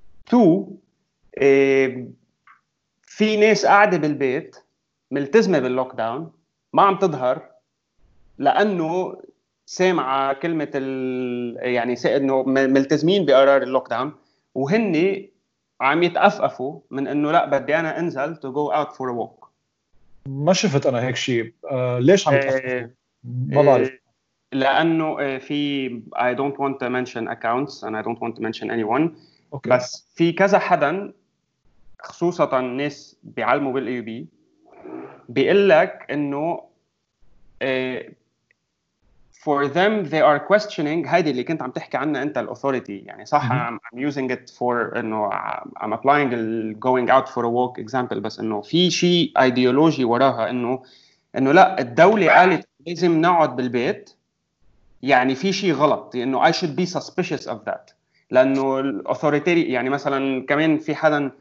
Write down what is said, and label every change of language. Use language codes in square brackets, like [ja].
[ar] Two في ناس قاعدة بالبيت ملتزمة باللوك داون ما عم تظهر لأنه سامعة كلمة يعني إنه ملتزمين بقرار اللوك داون، وهني عم يتأفأفوا من إنه لا بدي أنا أنزل [en] to go out for a walk. [ar] ما شفت أنا هيك شيء. ليش عم يتأفأفوا؟ لأنه في [en] I don't want to mention accounts and I don't want to mention anyone. Okay. [ar] بس في كذا حدا خصوصا ناس بيعلموا بالأيو بي بيقول لك انه [en] for them they are questioning [ar] هيدي اللي كنت عم تحكي عنها انت الاوثوريتي يعني صح. [en] I'm using it for [ar] انه [en] I'm applying going out for a walk example، [ar] بس انه في شيء ايديولوجي وراها انه لا الدوله قالت لازم نقعد بالبيت يعني في شيء غلط، انه [en] I should be suspicious of that [ar] لانه الاوثوريتي يعني مثلا كمان في حدا